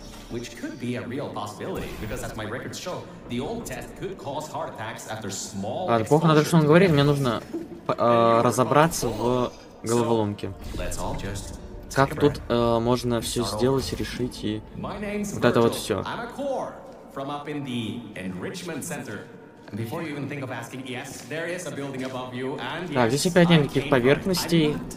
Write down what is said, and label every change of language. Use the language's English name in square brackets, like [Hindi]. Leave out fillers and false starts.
[English] Which could be a real possibility, because as my records show, the old test could cause heart attacks after small exposure. [Russian] Плохо на то, что он говорит, мне нужно разобраться в головоломке. Как тут можно все сделать, решить и вот это вот все. [English] I'm a core from up in the enrichment center. And before you even think of asking, yes, there is a building above you, and yes, [Russian] так, здесь опять нет никаких поверхностей.